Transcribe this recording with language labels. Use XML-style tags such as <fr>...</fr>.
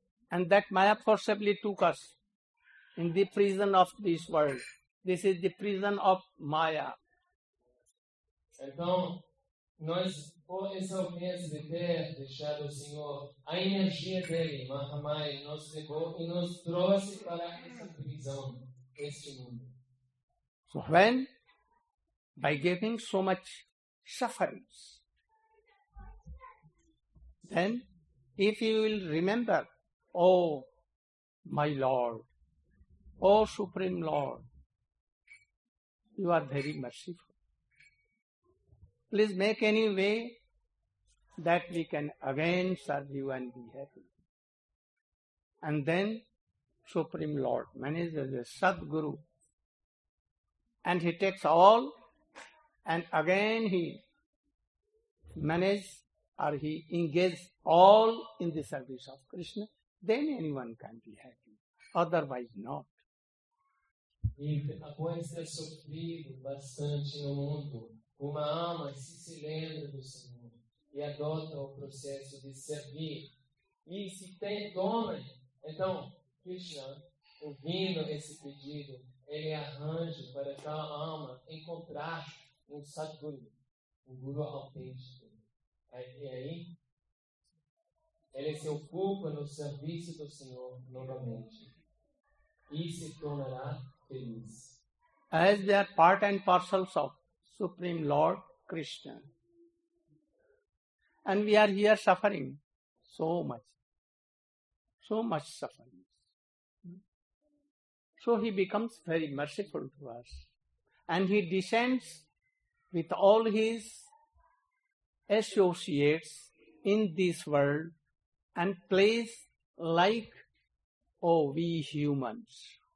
<en>And that Maya forcibly took us in the prison of this world. This is the prison of Maya.</en> <pt>Então, nós, por essa ofensa de ter deixado o Senhor, a energia dele, Mahamaya, nos levou e nos trouxe para essa prisão, este mundo.</pt> <en>So when, by giving so much sufferings, then, if you will remember, oh, my Lord, oh, Supreme Lord, you are very merciful. Please make any way that we can again serve you and be happy. And then, Supreme Lord manages a Sadguru, and he takes all, and again he manages or he engages all in the service of Krishna. Then anyone can be happy, otherwise not.</en> <pt>E após ter sofrido bastante no mundo, uma alma se lembra do Senhor e adota o processo de servir. E se tem dono, então, Krishna, ouvindo esse pedido, ele arranja para tal alma encontrar um Sadguru, um Guru autêntico. E aí? Ele se ocupa no serviço do Senhor novamente e se tornará feliz.</pt> <en>As they are part and parcels of Supreme Lord Krishna. And we are here suffering so much. So much suffering. So he becomes very merciful to us. And he descends with all his associates in this world and plays like, oh, we humans.</en>